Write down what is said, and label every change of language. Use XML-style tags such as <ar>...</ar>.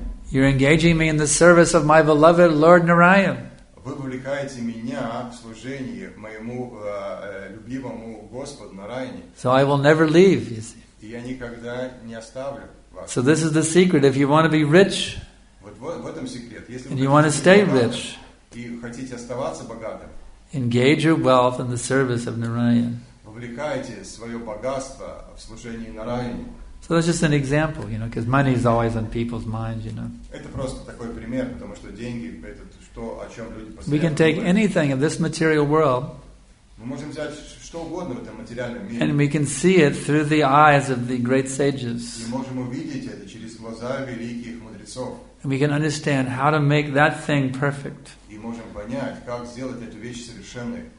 <en>You're engaging me in the service of my beloved Lord Narayan.</en> <ru>Вы вовлекаете меня в служение моему любимому Господу Нараяне.</ru> <en>So I will never leave, you see.</en> <ru>И я никогда не оставлю вас.</ru> <en>So this is the secret. If you want to be rich,</en> <ru>в этом секрет. Если</ru> <en>and you want to stay rich,</en> <ru>и хотите оставаться богатым,</ru> <en>engage your wealth in the service of Narayan.</en> <ru>Вовлекайте свое богатство в служение Нараяне.</ru> <en>So that's just an example, you know, because money is always on people's minds, you know.</en> <ru>Это просто такой пример, потому что деньги это то, о чем люди постоянно</ru> <en>We can take</en> <ru>думают.</ru> <en>Anything in this material world.</en> <ru>Мы можем взять что угодно в этом материальном мире.</ru> <en>And we can see it through the eyes of the great sages.</en> <ru>И можем увидеть это через глаза великих мудрецов.</ru> <en>And we can understand how to make that thing perfect.</en> <ru>И можем понять, как сделать эту вещь совершенной.</ru>